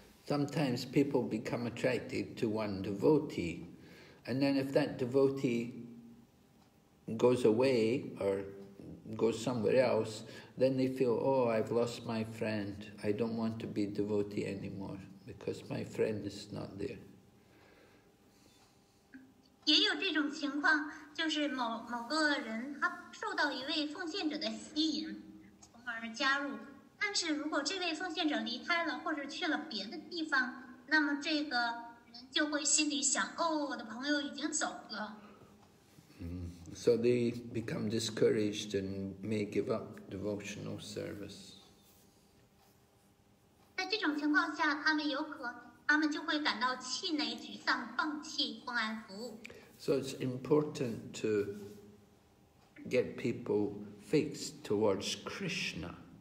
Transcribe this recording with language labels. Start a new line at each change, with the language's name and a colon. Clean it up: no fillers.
English: Sometimes people become attracted to one devotee, and then if that devotee goes away or goes somewhere else, then they feel, oh, I've lost my friend. I don't want to be a devotee anymore because my friend is not there.
Chinese: 也有这种情况，就是某个人他受到一位奉献者的吸引，从而加入。但是如果这位奉献者离开了或者去了别的地方，那么这个人就会心里想，哦，我的朋友已经走了。
English: So they become discouraged and may give up devotional service.
Chinese: 在这种情况下，他们就会感到气馁、沮丧，放弃公安服务。
English: So it's important to get people fixed towards Krishna.